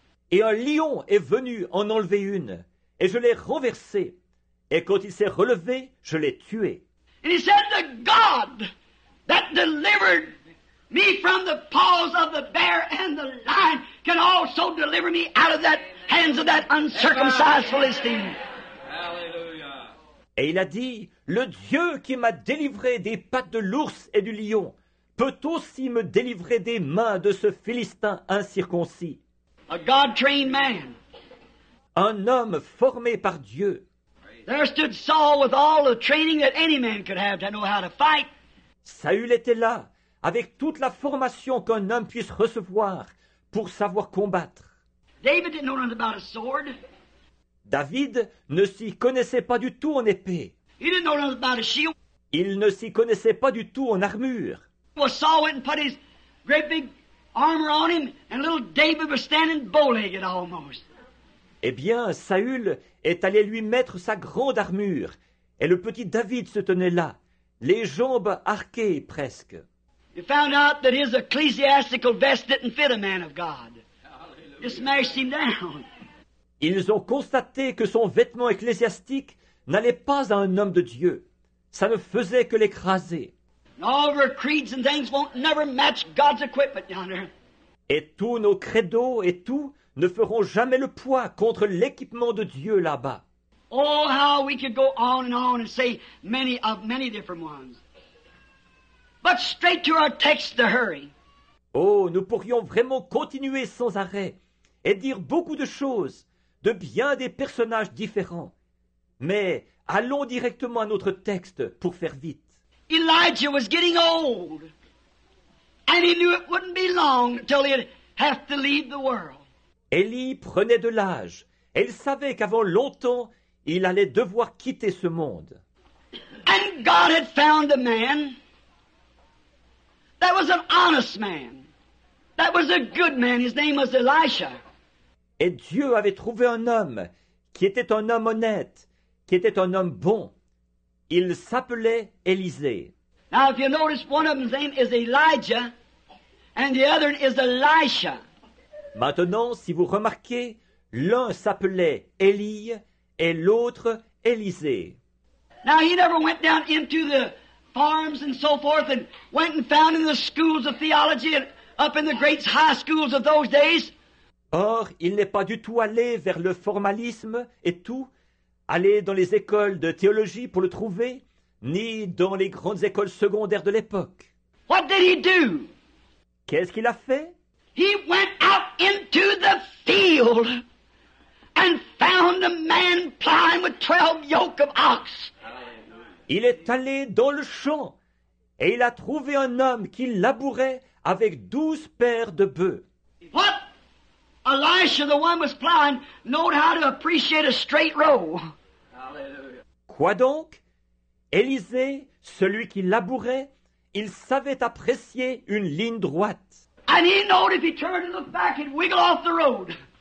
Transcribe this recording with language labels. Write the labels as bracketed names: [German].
[French] Et un lion est venu en enlever une, et je l'ai renversé. Et quand il s'est relevé, je l'ai tué. [English] And he said, the God that delivered me from the paws of the bear and the lion can also deliver me out of that hands of that uncircumcised Philistine. [French] Et il a dit, le Dieu qui m'a délivré des pattes de l'ours et du lion peut aussi me délivrer des mains de ce Philistin incirconcis. [English] A God-trained man. [French] Un homme formé par Dieu. [English] There stood Saul with all the training that any man could have to know how to fight. [French] Saül était là, avec toute la formation qu'un homme puisse recevoir pour savoir combattre. [English] David didn't know nothing about a sword. [French] David ne s'y connaissait pas du tout en épée. [English] He didn't know nothing about a shield. [French] Il ne s'y connaissait pas du tout en armure. [English] Well, Saul went and put his great big armor on him, and little David was standing bow-legged almost. [French] Eh bien, Saül est allé lui mettre sa grande armure, et le petit David se tenait là, les jambes arquées presque. [English] You found out that his ecclesiastical vest didn't fit a man of God. You smashed him down. [French] Ils ont constaté que son vêtement ecclésiastique n'allait pas à un homme de Dieu. Ça ne faisait que l'écraser. [English] All of our creeds and things won't never match God's equipment, yonder. [French] Et tous nos credos et tout ne feront jamais le poids contre l'équipement de Dieu là-bas. [English] Oh, how we could go on and say many of many different ones. But straight to our text, the hurry. [French] Oh, nous pourrions vraiment continuer sans arrêt et dire beaucoup de choses de bien des personnages différents. Mais allons directement à notre texte pour faire vite. [English] Elijah was getting old, and he knew it wouldn't be long till he'd have to leave the world. [French] Élie prenait de l'âge, et il savait qu'avant longtemps, il allait devoir quitter ce monde. [English] And God had found a man that was an honest man, that was a good man. His name was Elisha. [French] Et Dieu avait trouvé un homme qui était un homme honnête, qui était un homme bon. Il s'appelait Élisée. [English] Now, if you notice, one of them's name is Elijah, and the other is Elisha. [French] Maintenant, si vous remarquez, l'un s'appelait Élie et l'autre Élisée. [English] Now, he never went down into the farms and so forth and went and found in the schools of theology and up in the great high schools of those days. [French] Or, il n'est pas du tout allé vers le formalisme et tout, aller dans les écoles de théologie pour le trouver, ni dans les grandes écoles secondaires de l'époque. [English] What did he do? [French] Qu'est-ce qu'il a fait? [English] He went out into the field and found a man plowing with 12 yoke of ox. [French] Il est allé dans le champ et il a trouvé un homme qui labourait avec 12 paires de bœufs. [English] What? Elisha, the one who was plowing, knew how to appreciate a straight row. [French] Quoi donc? Élisée, celui qui labourait, il savait apprécier une ligne droite. [English] And he knew if he turned and looked back, he'd wiggle off the road.